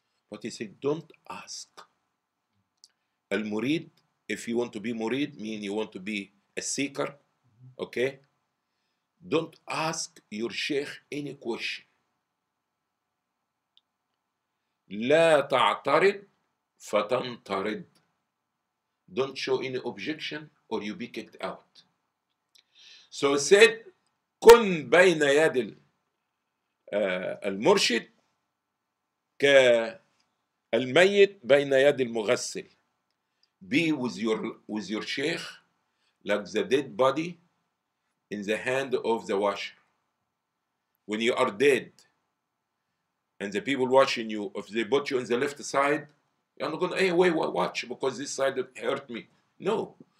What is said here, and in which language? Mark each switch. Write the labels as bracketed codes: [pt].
[en] But he said, don't ask. Al-murid, if you want to be murid, mean you want to be a seeker, okay? Don't ask your sheikh any question. [ar] لا تعترض فتنطرد. [en] Don't show any objection or you'll be kicked out. So he said, [ar] كن بين يد المرشد كالميت بين يد المغسل. [en] Be with your sheikh like the dead body in the hand of the washer. When you are dead and the people watching you, if they put you on the left side, you're not going, hey, wait, watch, because this side hurt me. No.